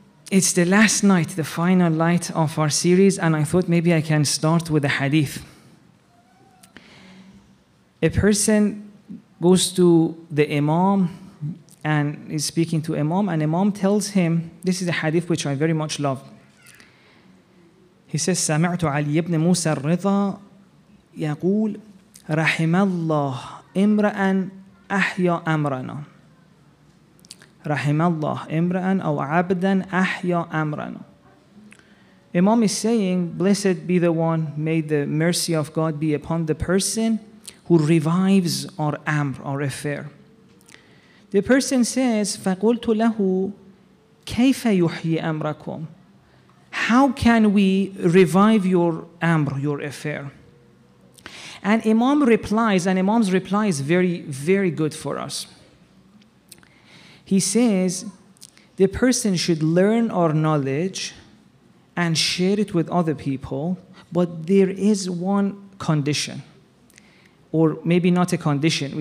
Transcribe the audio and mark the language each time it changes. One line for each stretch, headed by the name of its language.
English: It's the last night, the final night of our series, and I thought maybe I can start with a hadith. A person goes to the imam and is speaking to imam, and imam tells him, this is a hadith which I very much love. He says,
Arabic: سمعت علي بن موسى الرضا يقول رحم الله امرأ أحيا أمرنا رحم الله امرأ أو عبدا أحيا أمرنا.
English: Imam is saying, blessed be the one, may the mercy of God be upon the person who revives our amr, our affair. The person says,
Arabic: فقلت له كيف يحيي أمركم.
English: How can we revive your amr, your affair? And Imam replies, and Imam's reply is very, very good for us. He says, the person should learn our knowledge and share it with other people, but there is one condition, or maybe not a condition.